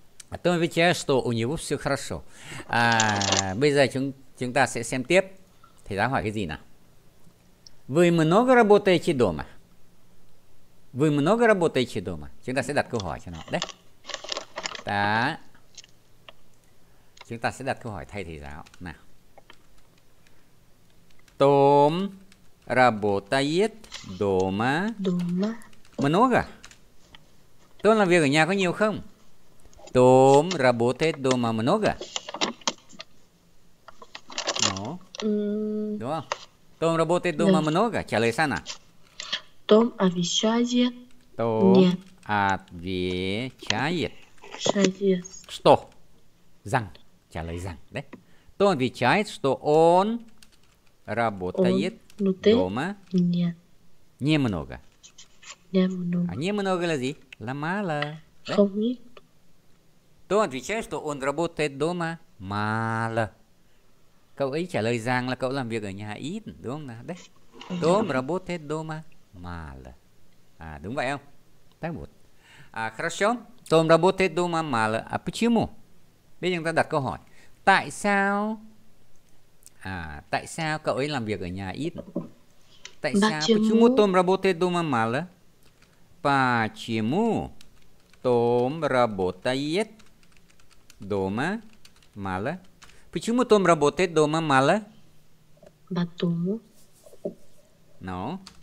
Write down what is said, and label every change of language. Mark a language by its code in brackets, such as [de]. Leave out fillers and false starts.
[ru] А то вы видите, что у него все хорошо. [vi] А, bây giờ chúng ta sẽ xem tiếp. Thầy giáo hỏi cái gì nào? [ru] Вы много работаете дома? Вы много работаете дома? [vi] Chúng ta sẽ đặt câu hỏi cho nó. Đấy. Đó. Chúng ta sẽ đặt câu hỏi thay thầy giáo. Nào. [ru] Tom работает дома. Дома. Много. [vi] Tom làm việc ở nhà có nhiều không? [ru] Tom работает дома много. [vi] No. Đúng không? [ru] Tom работает дома много. [vi] Trả lời sao nào? [ru] Tom отвечает. Tom отвечает. Что? [vi] Rằng. Trả lời rằng. Đấy. [ru] Tom отвечает, что он работает дома. Не много. Не много [vi] là gì? Là мало. Không ít. [ru] Tom отвечает, что он работает дома. Мало. [vi] Cậu ấy trả lời rằng là cậu làm việc ở nhà ít. Đúng không nào? Đấy. [ru] Tom работает дома. Мало. À, [vi] đúng vậy không? [ru] Так вот. А, хорошо. Tom работает дома мало. А почему? [vi] Bây giờ chúng ta đặt câu hỏi. Tại sao? À, tại sao cậu ấy làm việc ở nhà ít? Tại sao? [ru] Почему Tom работает дома мало? Почему Tom работает дома мало? Почему Tom работает дома мало? Потому. No.